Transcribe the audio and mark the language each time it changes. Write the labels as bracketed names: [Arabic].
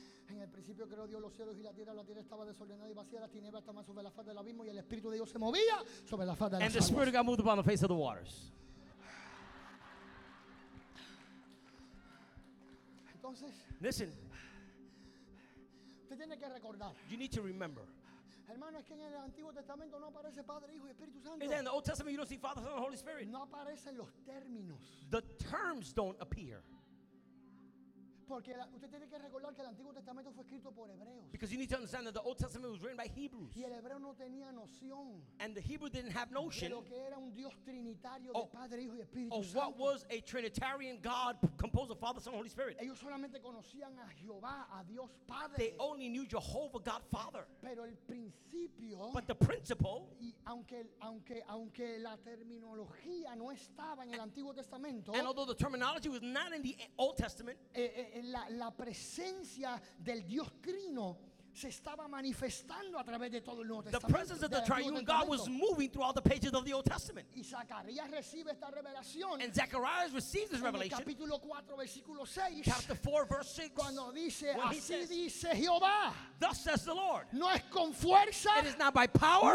[Spanish] En el principio creó Dios los cielos y la tierra. La tierra estaba desordenada y vacía. Las tinieblas estaban sobre la faz del abismo y el espíritu de Dios se movía sobre la faz de las aguas. [English] And the spirit of God moved upon the face of the waters. [Spanish] Entonces, [English] listen. [Spanish] Usted tiene que recordar. [English] You need to remember. [Spanish] Hermano, es que en el Antiguo Testamento no aparece Padre, Hijo y Espíritu Santo. [English] In the Old Testament, you don't see Father, Son, and Holy Spirit. [Spanish] No aparecen los términos. [English] The terms don't appear. [Spanish] Porque usted tiene que recordar que el Antiguo Testamento fue escrito por hebreos. [English] Because you need to understand that the Old Testament was written by Hebrews. [Spanish] Y el hebreo no tenía noción. [English] And the Hebrew didn't have notion. [Spanish] De lo que era un Dios trinitario de Padre, Hijo y Espíritu [English] Santo. Of what was a Trinitarian God composed of Father, Son, and Holy Spirit. [Spanish] Ellos solamente conocían a Jehová, a Dios Padre. [English] They only knew Jehovah, God Father. [Spanish] Pero el principio. [English] But the principle. [Spanish] Y aunque la terminología no estaba en el Antiguo Testamento. [English] And although the terminology was not in the Old Testament. [Spanish] La presencia del Dios trino se estaba manifestando a través de todo el Nuevo Testamento. [English] The presence of the triune God was moving throughout the pages of the Old Testament. [Spanish] Y Zacarías recibe esta revelación. [English] And Zacharias receives this revelation. [Spanish] En el capítulo 4, versículo 6. [English] Chapter 4, verse 6. [Spanish] Cuando dice, así dice Jehová. [English] Thus says the Lord. [Spanish] No es con fuerza. [English] It is not by power.